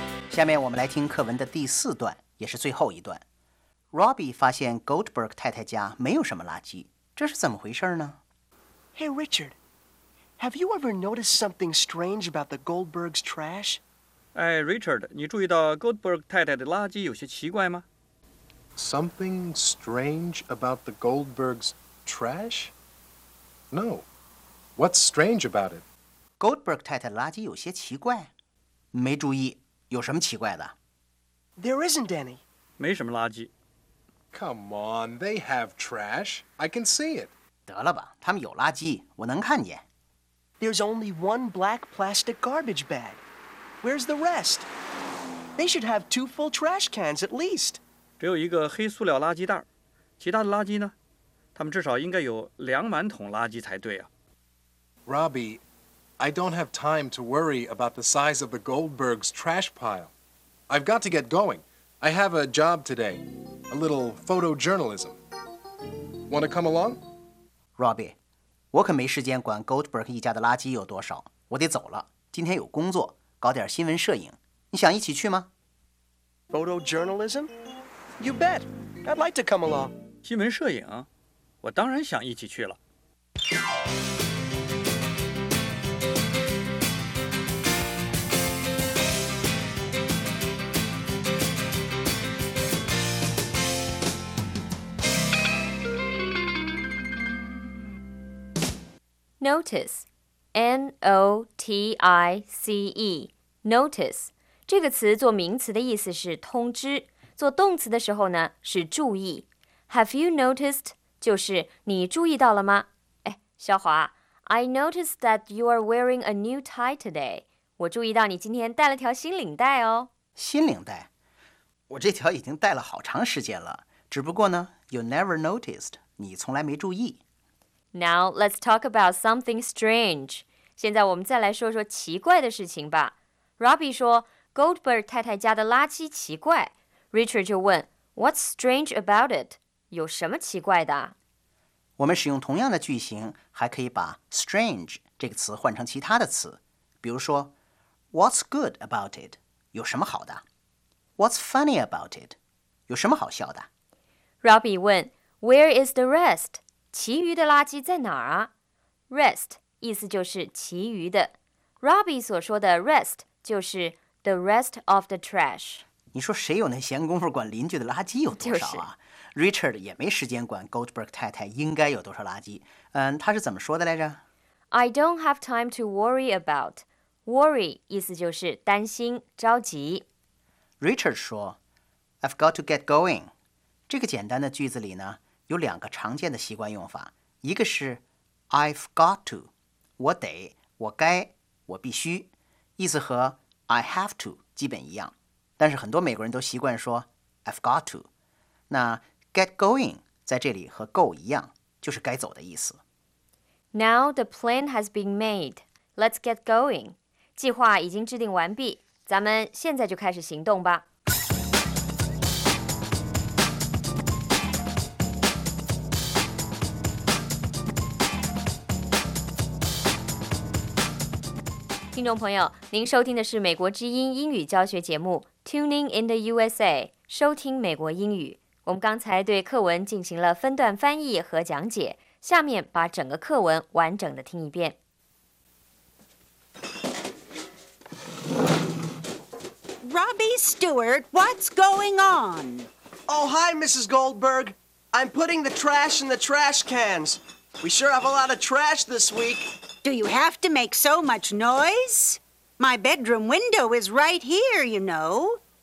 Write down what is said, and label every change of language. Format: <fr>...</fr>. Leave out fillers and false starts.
<zh>下面我们来听课文的第四段，也是最后一段。Robbie 发现 Goldberg 太太家没有什么垃圾，这是怎么回事呢？</zh> <en>Hey Richard, have you ever noticed something strange about the Goldberg's trash?</en> <zh>哎 Richard, 你注意到 Goldberg 太太的垃圾有些奇怪吗？</zh> <en>Something strange about the Goldberg's trash? No, what's strange about it?</en> <zh>Goldberg 太太的垃圾有些奇怪，没注意有什么奇怪的？</zh> <en>There isn't any.</en> <zh>没什么垃圾。</zh> <en>Come on, they have trash. I can see it.</en> <zh>得了吧，他们有垃圾，我能看见。</zh> <en>There's only one black plastic garbage bag. Where's the rest? They should have two full trash cans at least.</en> <zh>只有一个黑塑料垃圾袋，其他的垃圾呢？他们至少应该有两满桶垃圾才对啊。</zh> <en>Robbie,I don't have time to worry about the size of the Goldberg's trash pile. I've got to get going. I have a job today. A little photojournalism. Want to come along?</en> <zh>Robbie, 我可没时间管 Goldberg 一家的垃圾有多少。我得走了。今天有工作，搞点新闻摄影。你想一起去吗？</zh> <en>Photojournalism? You bet. I'd like to come along.</en> <zh>新闻摄影？我当然想一起去了。</zh> <en>Notice, N-O-T-I-C-E, notice.</en> <zh>这个词做名词的意思是通知，做动词的时候呢是注意。</zh> <en>Have you noticed?</en> <zh>就是你注意到了吗？</zh> <en>哎，小华 ，I noticed that you are wearing a new tie today.</en> <zh>我注意到你今天带了条新领带哦。新领带？我这条已经带了好长时间了，只不过呢 ，</zh> <en>you never noticed.</en> <zh>你从来没注意。</zh> <en>Now, let's talk about something strange.</en> <zh>现在我们再来说说奇怪的事情吧。Robbie 说 ,Goldberg 太太家的垃圾奇怪。 Richard 就问 ,</zh> <en>What's strange about it?</en> <zh>有什么奇怪的？我们使用同样的句型，还可以把 strange 这个词换成其他的词。比如说 ,</zh> <en>What's good about it?</en> <zh>有什么好的 ?</zh> <en>What's funny about it?</en> <zh>有什么好笑的</zh> <en>?Robbie 问 ,Where is the rest?</en> <zh>其余的垃圾在哪儿啊 ?Rest, 意思就是其余的。 Robbie 所说的 rest 就是 the rest of the trash。你说谁有那闲工夫管邻居的垃圾有多少啊、就是、 ?Richard 也没时间管 Goldberg 太太应该有多少垃圾。嗯，他是怎么说的来着</zh> <en>?I don't have time to worry about.</en> <zh>Worry 意思就是担心着急。 Richard 说 ,</zh> <en>I've got to get going.</en> <zh>这个简单的句子里呢有两个常见的习惯用法，一个是</zh> <en>I've got to，</en> <zh>我得，我该，我必须，意思和</zh> <en>I have to</en> <zh>基本一样，但是很多美国人都习惯说 I've got to。那 get going 在这里和 go 一样，就是该走的意思。</zh> <en>Now the plan has been made. Let's get going.</en> <zh>计划已经制定完毕，咱们现在就开始行动吧。听众朋友，您收听的是美国之音英语教学节目 Tuning in the USA， 收听美国英语。我们刚才对课文进行了分段翻译和讲解，下面把整个课文完整的听一遍。</zh> <en>Robbie Stewart, what's going on? Oh, hi, Mrs. Goldberg. I'm putting the trash in the trash cans. We sure have a lot of trash this week. Do you have to make so much noise? My bedroom window is right here, you know.</en>